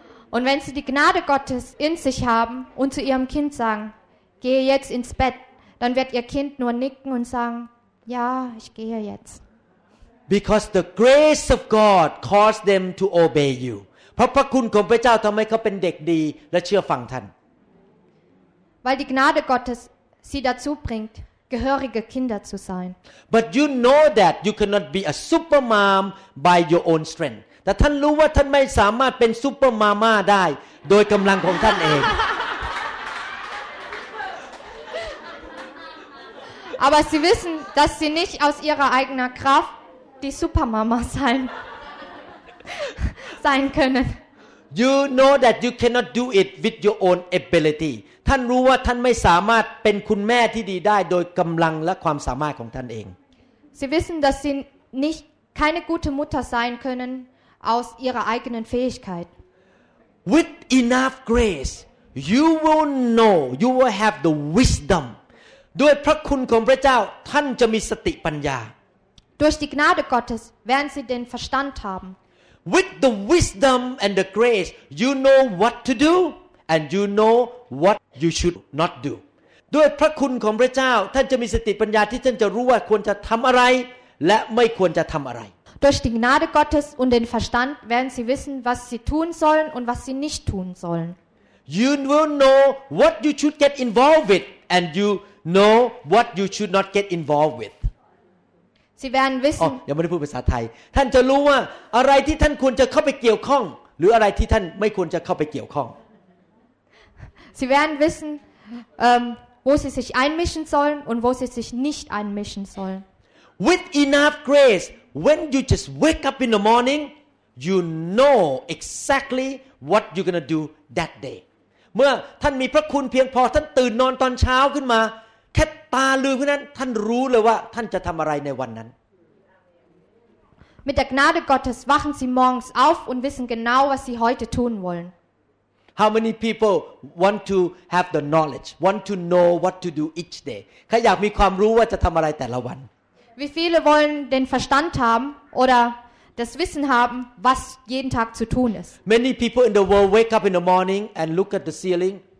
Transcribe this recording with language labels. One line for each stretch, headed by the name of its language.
German: Und wenn Sie die Gnade Gottes in sich haben und zu Ihrem Kind sagen, gehe jetzt ins Bett, dann wird Ihr Kind nur nicken und sagen, ja, ich gehe jetzt.
English: Because the grace of God caused them to obey you.
Thai: พระคุณของพระเจ้าทำให้เขาเป็นเด็กดีและเชื่อฟังท่าน
German: Weil die Gnade Gottes sie dazu bringt, gehörige Kinder zu sein.
English: But you know that you cannot be a super mom by your own strength.
Thai: ถ้าท่านรู้ว่าท่านไม่สามารถเป็นซุปเปอร์มาม่าได้โดยกำลังของท่านเอง
German: Aber Sie wissen, dass Sie nicht aus Ihrer eigener Kraft die Supermama sein können.
English: You know that you cannot do it with your own ability.
Thai: ท่านรู้ว่าท่านไม่สามารถเป็นคุณแม่ที่ดีได้โดยกำลังและความสามารถของท่านเอง
German: Sie wissen, dass Sie nicht keine gute Mutter sein können aus Ihrer eigenen Fähigkeit.
English: With enough grace, you will know, you will have the wisdom.
Thai: ด้วยพระคุณของพระเจ้าท่านจะมีสติปัญญา
German: Durch die Gnade Gottes werden Sie den Verstand haben.
English: With the wisdom and the grace, you know what to do and you know what you should not do.
Thai: ด้วยพระคุณของพระเจ้าท่านจะมีสติปัญญาที่ท่านจะรู้ว่าควรจะทำอะไรและไม่ควรจะทำอะไร
German: Durch die Gnade Gottes und den Verstand werden Sie wissen, was Sie tun sollen und was Sie nicht tun sollen.
English: You will know what you should get involved with and youKnow what you should not get involved with.
German: Sie werden wissen.
Thai: ยังไม่ได้พูดภาษาไทยท่านจะรู้ว่าอะไรที่ท่านควรจะเข้าไปเกี่ยวข้องหรืออะไรที่ท่านไม่ควรจะเข้าไปเกี่ยวข้อง
German: Sie werden wissen, wo Sie sich einmischen sollen und wo Sie sich nicht einmischen sollen.
English: With enough grace, when you just wake up in the morning, you know exactly what you're gonna do that day.
Thai: เมื่อท่านมีพระคุณเพียงพอท่านตื่นนอนตอนเช้าขึ้นมาแค่ตาลืมเท่านั้นท่านรู้เลยว่าท่านจะทำอะไรในวันนั้น
German: Mit der Gnade Gottes wachen Sie morgens auf und wissen genau was Sie heute tun wollen
English: How many people want to have the knowledge want to know what to do each day
Thai: ใครอยากมีความรู้ว่าจะทำอะไรแต่ละวัน
German: Wie viele wollen den Verstand haben oderDas Wissen haben, was jeden Tag zu tun ist.
English: Many people in the world wake up in the morning and look at the ceiling.